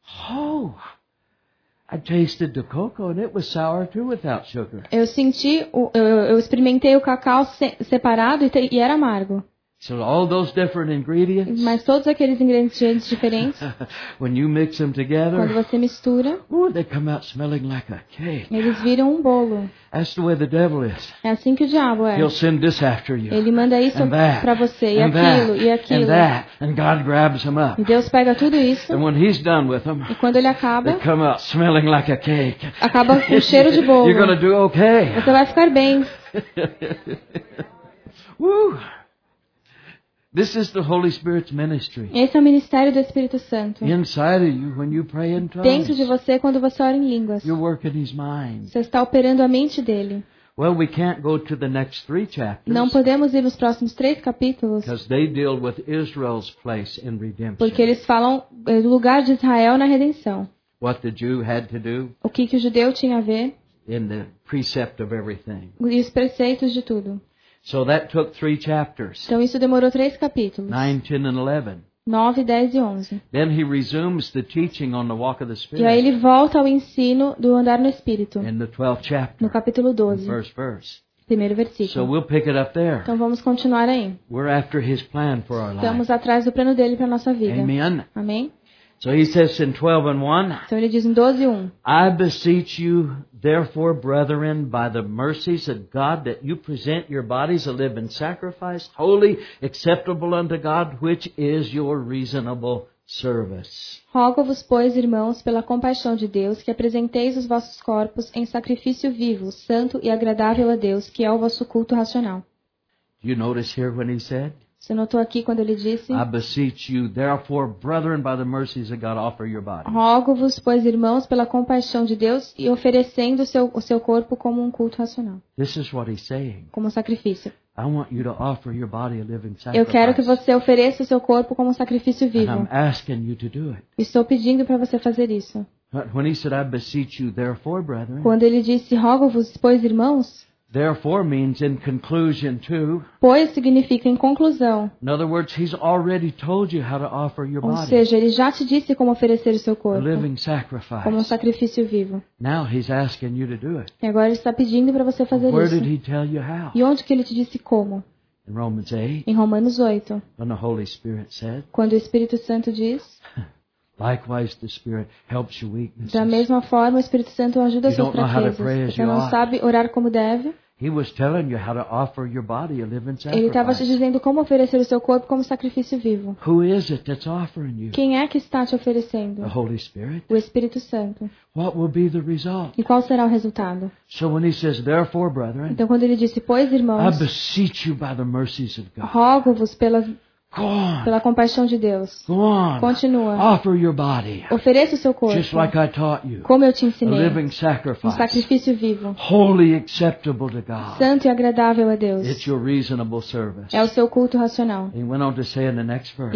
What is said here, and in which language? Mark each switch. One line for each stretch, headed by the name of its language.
English: Oh, I tasted the cocoa and it was sour too without sugar.
Portuguese: Eu senti, eu experimentei o cacau separado e era amargo.
English: So all those different ingredients.
Portuguese: Mas todos aqueles ingredientes diferentes.
English: When you mix them together.
Portuguese: Quando você mistura.
English: Ooh, they come out smelling like a cake.
Portuguese: Eles viram um bolo.
English: That's the way the devil is.
Portuguese: É assim que o diabo é.
English: He'll send this after you.
Portuguese: Ele manda isso para você e aquilo
English: that,
Portuguese: e aquilo.
English: And that, and God grabs them up.
Portuguese: E Deus pega tudo isso.
English: And when he's done with them.
Portuguese: E quando ele acaba.
English: They come out smelling like a cake.
Portuguese: Acaba com cheiro de bolo.
English: You're gonna do okay.
Portuguese: Você vai ficar bem. Woo.
English: This is the Holy Spirit's ministry.
Portuguese: Esse é o ministério do Espírito Santo.
English: Inside of you, when you pray in tongues.
Portuguese: Dentro de você quando você ora em línguas.
English: You're working His mind.
Portuguese: Você está operando a mente dele.
English: Well, we can't go to the next three chapters.
Portuguese: Não podemos ir nos próximos três capítulos.
English: Because they deal with Israel's place in redemption.
Portuguese: Porque eles falam do lugar de Israel na redenção.
English: What the Jew had to do.
Portuguese: O que o judeu tinha a ver?
English: in the precept of everything.
Portuguese: E os preceitos de tudo.
English: So that took three chapters.
Portuguese: Então isso demorou três capítulos.
English: 9, 10, and 11.
Portuguese: 9, 10 e 11.
English: Then he resumes the teaching on the walk of the Spirit.
Portuguese: E aí ele volta ao ensino do andar no Espírito.
English: In the 12th chapter.
Portuguese: No capítulo 12.
English: First verse.
Portuguese: Primeiro versículo.
English: So we'll pick it up there.
Portuguese: Então vamos continuar aí.
English: We're after his plan for our life.
Portuguese: Estamos atrás do plano dele para a nossa vida.
English: Amen.
Portuguese: Amém.
English: So he says in 12 and 1.
Portuguese: Então ele diz em 12 e 1.
English: I beseech you, therefore, brethren, by the mercies of God, that you present your bodies a living sacrifice, holy, acceptable unto God, which is your reasonable service.
Portuguese: Rogo-vos, pois, irmãos, pela compaixão de Deus, que apresenteis os vossos corpos em sacrifício vivo, santo e agradável a Deus, que é o vosso culto racional.
English: You notice here when he said?
Portuguese: Você notou aqui quando ele disse?
English: I beseech you, therefore, brethren, by the mercies of God, offer your body.
Portuguese: Rogo-vos, pois, irmãos, pela compaixão de Deus e oferecendo o seu corpo como um culto racional.
English: This is what he's saying.
Portuguese: Como sacrifício.
English: I want you to offer your body a living sacrifice.
Portuguese: Eu quero que você ofereça o seu corpo como um sacrifício vivo.
English: And I'm asking you to do it.
Portuguese: Estou pedindo para você fazer isso.
English: But when he said, I beseech you, therefore, brethren.
Portuguese: Quando ele disse, rogo-vos, pois, irmãos.
English: Therefore means in conclusion too.
Portuguese: Pois significa em conclusão.
English: In other words, he's already told you how to offer your body.
Portuguese: Ou seja, ele já te disse como oferecer o seu corpo.
English: A living sacrifice.
Portuguese: Como um sacrifício vivo.
English: Now he's asking you to do it.
Portuguese: E agora ele está pedindo para você fazer
English: Where
Portuguese: isso.
English: Did he tell you how?
Portuguese: E onde que ele te disse como?
English: In Romans 8.
Portuguese: Em Romanos 8.
English: When the Holy Spirit said.
Portuguese: Quando o Espírito Santo diz.
English: Likewise, the Spirit helps your weaknesses.
Portuguese: Da mesma forma, o Espírito Santo ajuda
English: you
Portuguese: as suas fraquezas.
English: Pray,
Portuguese: você não sabe orar como deve.
English: He was telling you how to offer your body a living sacrifice.
Portuguese: Ele estava te dizendo como oferecer o seu corpo como sacrifício vivo.
English: Who is it that's offering you?
Portuguese: Quem é que está te oferecendo?
English: The Holy Spirit.
Portuguese: O Espírito Santo.
English: What will be the result?
Portuguese: E qual será o resultado?
English: So when he says, therefore, brethren.
Portuguese: Então quando ele disse, pois, irmãos.
English: I beseech you by the mercies of God.
Portuguese: Rogo-vos pela compaixão de Deus.
English: Go on.
Portuguese: Continua.
English: Offer your body.
Portuguese: Ofereça o seu corpo.
English: Just like I taught you.
Portuguese: Como eu te ensinei.
English: A living sacrifice.
Portuguese: Um sacrifício vivo.
English: Holy, acceptable to God.
Portuguese: Santo e agradável a Deus.
English: It's your reasonable service.
Portuguese: É o seu culto racional.
English: He went on to say in the next verse.